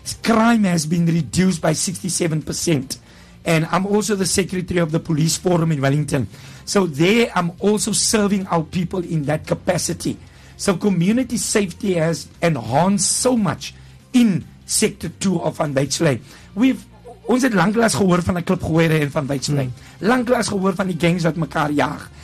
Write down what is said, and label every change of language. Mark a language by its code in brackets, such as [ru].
[en] Crime has been reduced by 67%. And I'm also the secretary of the police forum in Wellington. So there I'm also serving our people in that capacity. So community safety has enhanced so much in Sector 2 of Van Bates Lane. [af] Ons het lanklaas gehoor van die klipgooiere en van Bates Lane. Lanklaas gehoor van die gangs wat mekaar jaag.